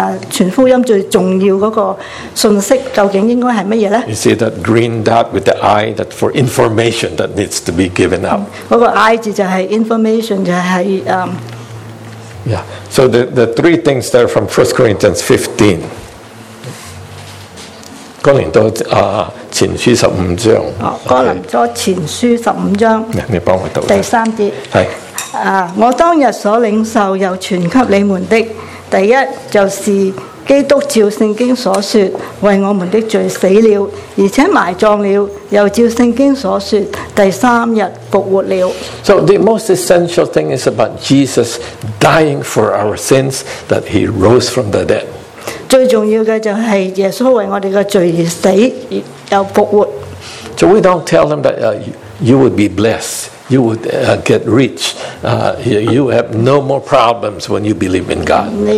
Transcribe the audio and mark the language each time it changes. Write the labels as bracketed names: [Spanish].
[Chinese] 傳福音最重要的信息究竟應該是什麼呢? [English] You see that green dot with the I that for information that needs to be given out. [Chinese] 那個I字就是information, 就是, [English] yeah. So the three things there from 1 Corinthians 15. [Chinese] 哥林多前書15章哥林多前書15章你幫我讀第三節我當日所領受又傳給你們的 第一就是基督照聖經所說為我們的罪死了而且埋葬了又照聖經所說第三日復活了 [English] So the most essential thing is about Jesus dying for our sins that he rose from the dead [Chinese] 最重要的就是耶穌為我們的罪而死又復活 [English] So we don't tell them that you would be blessed You would get rich. You have no more problems when you believe in God.